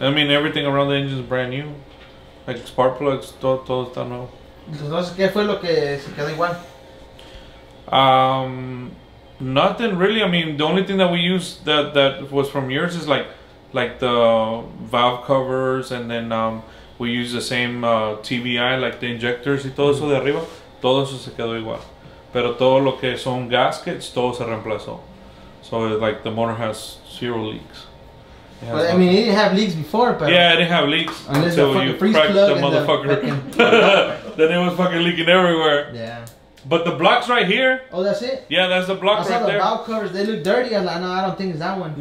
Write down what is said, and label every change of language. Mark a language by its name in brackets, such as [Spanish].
[English] I mean, everything around the engine is brand new. Like, spark plugs, [Spanish] todo está nuevo. Entonces, ¿qué fue lo que se quedó igual? [English] Nothing really. I mean, the only thing that we used that was from yours is like the valve covers, and then we use the same TBI, like the injectors [Spanish] y todo eso de arriba. Todo eso se quedó igual. Pero todo lo que son gaskets, todo se reemplazó. [English] So it's like the motor has zero leaks. I mean, it didn't have leaks before, but... Yeah, it didn't have leaks. Unless until you cracked the motherfucker. Then it was fucking leaking everywhere. Yeah. But the blocks right here... Oh, that's it? Yeah, that's the block right there. I saw the valve covers, they look dirty. I'm like, no, I don't think it's that one.